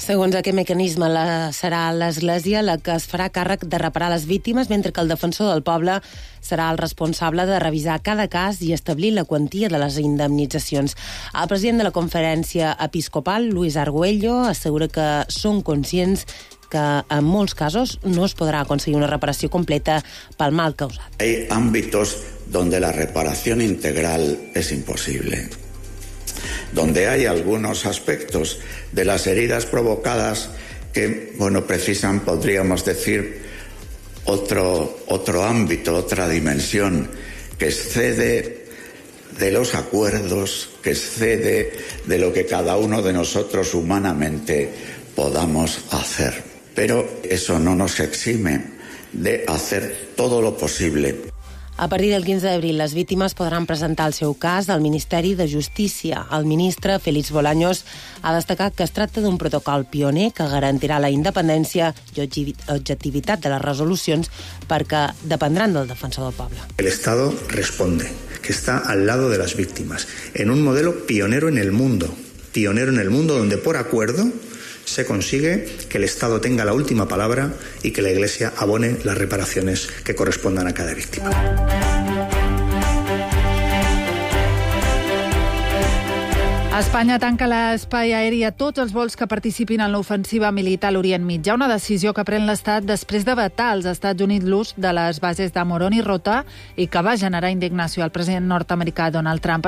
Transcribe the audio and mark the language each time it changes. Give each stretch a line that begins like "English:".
Catalan: Segons aquest mecanisme, serà l'Església la que es farà càrrec de reparar les víctimes, mentre que el defensor del poble serà el responsable de revisar cada cas i establir la quantia de les indemnitzacions. El president de la Conferència Episcopal, Luis Argüello, assegura que són conscients que en molts casos no es podrà aconseguir una reparació completa pel mal causat.
Spanish: Hay ámbitos donde la reparación integral es imposible, donde hay algunos aspectos de las heridas provocadas que, bueno, precisan, podríamos decir, otro ámbito, otra dimensión, que excede de los acuerdos, que excede de lo que cada uno de nosotros humanamente podamos hacer. Pero eso no nos exime de hacer todo lo posible.
Catalan: A partir del 15 d'abril, les víctimes podran presentar el seu cas al Ministeri de Justícia. El ministre, Félix Bolaños, ha destacat que es tracta d'un protocol pioner que garantirà la independència i objectivitat de les resolucions perquè dependran del defensor del poble.
Spanish: El Estado responde que está al lado de las víctimas en un modelo pionero en el mundo. Pionero en el mundo donde por acuerdo se consigue que el Estado tenga la última palabra y que la Iglesia abone las reparaciones que correspondan a cada víctima.
Catalan: Espanya tanca l'espai aeri a tots els vols que participin en l'ofensiva militar a l'Orient Mitjà, una decisió que pren l'Estat després de vetar als Estats Units l'ús de les bases de Moroni Rota i que va generar indignació al president nord-americà Donald Trump.